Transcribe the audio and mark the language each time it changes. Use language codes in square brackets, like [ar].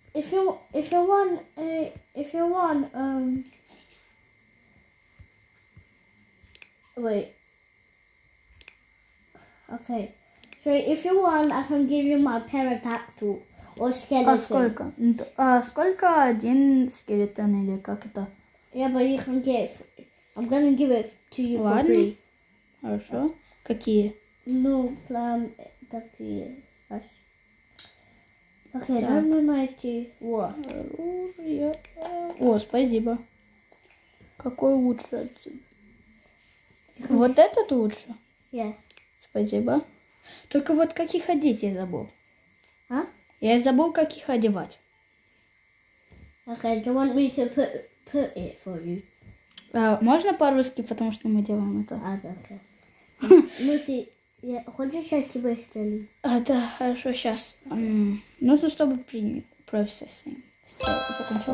[en] If you want, I can give you my pterodactyl or skeleton. [ru] А сколько? А сколько один скелетон или как это? [en] Yeah, but you can give. I'm gonna give it to you for free. [ru] Хорошо. Какие? Ну, прям такие. Окей, дай мне найти. Во. Оружие. О, спасибо. Какой лучше? Вот этот лучше? [en] Yeah. [ru] Спасибо. Только вот как их одеть я забыл. А? Я забыл, как их одевать. [en] Окей, do you want me to put it for you? [ru] Можно по-русски, потому что мы делаем это? А, да, окей. Ну, ты... Я... Хочешь, я тебе сделаю? А, да, хорошо, сейчас. Okay. Нужно, чтобы процессинг закончил.